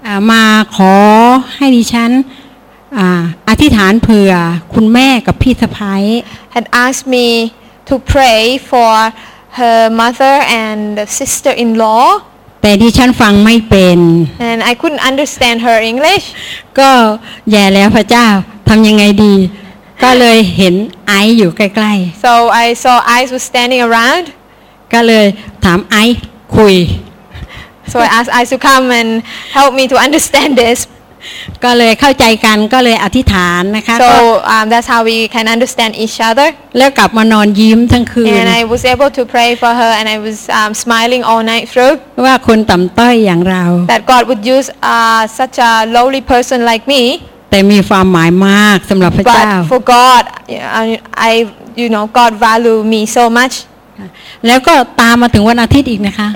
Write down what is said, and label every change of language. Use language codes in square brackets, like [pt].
[th] มาขอให้ดิฉันอธิษฐานเผื่อคุณแม่กับพี่สะพ้าย [en] had asked me to pray for her mother and the sister-in-law [th] แต่ดิฉันฟังไม่เป็น [en] and I couldn't understand her English [th] ก็แย่แล้วพระเจ้าทำยังไงดีก็เลยเห็นไอซ์อยู่ใกล้ [en] ๆ so I saw Ice was standing around [th] ก็เลยถามไอซ์คุย [en] so I asked Ice to come and help me to understand this [th] ก็เลยเข้าใจกันก็เลยอธิษฐานนะคะ [en] So that's how we can understand each other [th] แล้วกลับมานอนยิ้มทั้งคืน [en] And I was able to pray for her and I was smiling all night through [th] ว่าคนต่ำต้อยอย่างเรา [en] That God would use such a lowly person like me [th] แต่มีความหมายมากสำหรับพระเจ้า [en] But for God I you know God value me so much [th] แล้วก็ตามมาถึงวันอาทิตย์อีกนะคะ